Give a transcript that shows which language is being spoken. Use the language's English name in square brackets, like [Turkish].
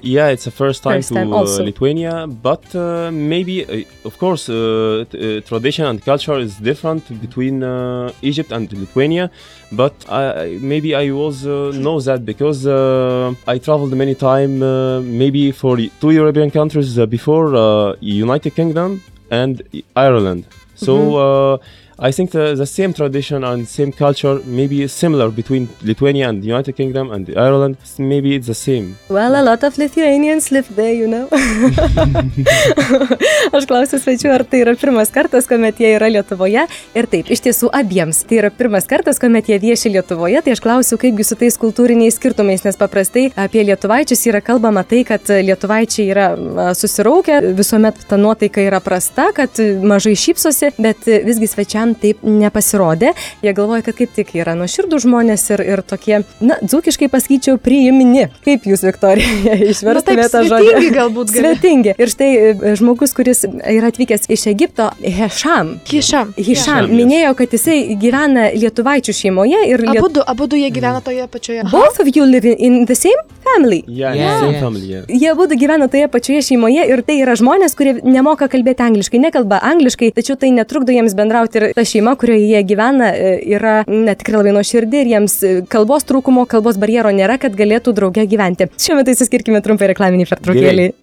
[English] Yeah, it's the first time to Lithuania, but maybe, of course, tradition and culture is different between Egypt and Lithuania, but maybe I was know that because I traveled many times, maybe for two European countries before, United Kingdom and Ireland. So... Mm-hmm. I think the same tradition and same culture maybe similar between Lithuania and the United Kingdom and Ireland. Maybe it's the same. Well, a lot of Lithuanians live there, you know. [Lithuanian] Aš klausiu svečių, ar tai yra pirmas kartas, kuomet jie yra Lietuvoje. Ir taip, iš tiesų abiems. Tai yra pirmas kartas, kuomet jie vieši Lietuvoje. Tai aš klausiu, kaipgi su tais kultūriniais skirtumais, nes paprastai apie lietuvaičius yra kalbama tai, kad lietuvaičiai yra susiraukę, visuomet ta nuotaika yra prasta, kad mažai šypsosi, bet visgi svečiai jam taip nepasirodė. Jie galvoja, kad kaip tik yra nuoširdų žmonės ir tokie, na, dzūkiškai pasakyčiau, priimni. Kaip jūs, Viktorija, išverstumėte tą žodį? Svetingi galbūt. Svetingi. Ir štai žmogus, kuris yra atvykęs iš Egipto, Hisham. Minėjo, kad jisai gyvena lietuvaičių šeimoje. Ir abudu jie gyvena toje pačioje. [English] Both of you live in the same family. Yeah. [Lithuanian] Jie abudu gyvena toje pačioje šeimoje ir tai yra žmonės, kurie nemoka kalbėti angliškai, nekalba angliškai, tačiau tai netrukdo jiems bendrauti. Ir ta šeima, kurioje jie gyvena, yra netikrai labai nuoširdi ir jiems kalbos trūkumo, kalbos barjero nėra, kad galėtų drauge gyventi. Šiuo metu įsiskirkime trumpai reklaminį pertraukėlį.